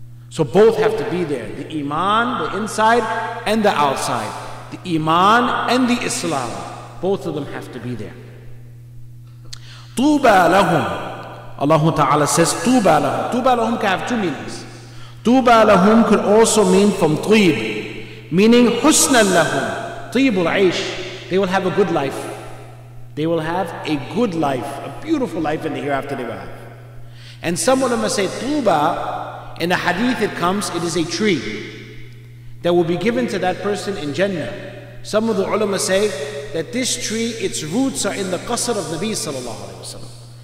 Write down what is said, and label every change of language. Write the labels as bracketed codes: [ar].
[en] So both have to be there. The iman, the inside and the outside. The iman and the islam. Both of them have to be there. [ar] طُوبَى لَهُمْ. [en] Allah Ta'ala says [ar] طُوبَى لَهُمْ. طُوبَى لَهُمْ [en] can have two meanings. [ar] طُوبَى لَهُمْ [en] could also mean from [ar] طِيب, [en] meaning [ar] حُسْنًا لَهُمْ, طِيبُ الْعَيْشِ, [en] they will have a good life. They will have a good life, a beautiful life in the hereafter they will have. And some of them say طُوبَى, in the hadith it comes, it is a tree that will be given to that person in Jannah. Some of the ulama say that this tree, its roots are in the qasr of Nabi sallallahu alayhi wa sallam.